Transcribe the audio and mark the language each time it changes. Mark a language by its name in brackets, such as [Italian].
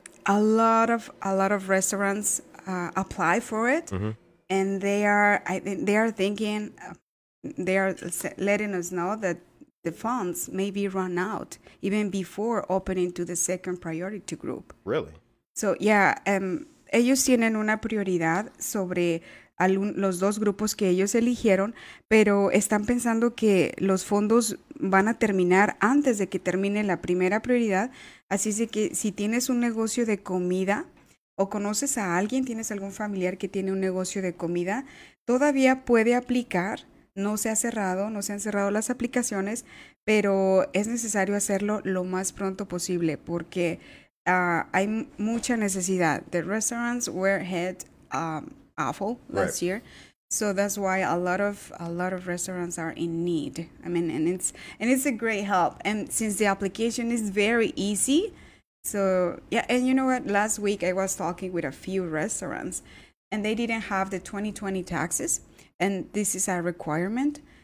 [English] A lot of restaurants apply for it, mm-hmm. and they are letting us know that the funds may be run out even before opening to the second priority group. Really? So yeah, [Spanish] ellos tienen una prioridad sobre los dos grupos que ellos eligieron, pero están pensando que los fondos van a terminar antes de que termine la primera prioridad. Así es que si tienes un negocio de comida o conoces a alguien, tienes algún familiar que tiene un negocio de comida, todavía puede aplicar. No se ha cerrado, no se han cerrado las aplicaciones, pero es necesario hacerlo lo más pronto posible porque hay mucha necesidad. [English] The restaurants were hit awful last year. So that's why a lot of restaurants are in need. I mean, and it's a great help. And since the application is very easy, so yeah. And you know what? Last week I was talking with a few restaurants, and they didn't have the 2020 taxes, and this is a requirement.